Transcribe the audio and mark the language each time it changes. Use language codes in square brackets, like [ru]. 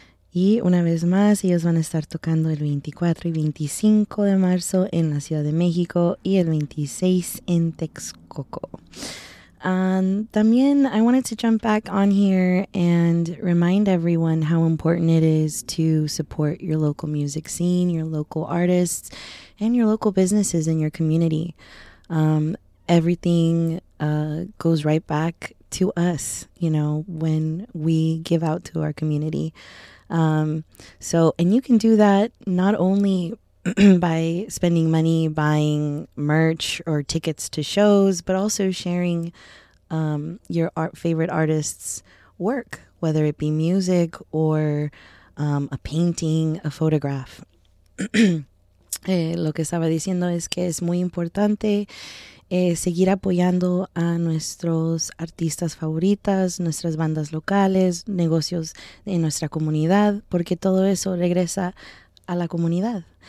[es] Y una vez más, ellos van a estar tocando el 24 y 25 de marzo en la Ciudad de México y el 26 en Texcoco. [en] También, I wanted to jump back on here and remind everyone how important it is to support your local music scene, your local artists, and your local businesses in your community. Everything goes right back to us, you know, when we give out to our community. And you can do that not only by spending money buying merch or tickets to shows, but also sharing your favorite artist's work, whether it be music or a painting, a photograph. [es] Lo que estaba diciendo es que es muy importante seguir apoyando a nuestros artistas favoritas, nuestras bandas locales, negocios en nuestra comunidad, porque todo eso regresa a la comunidad.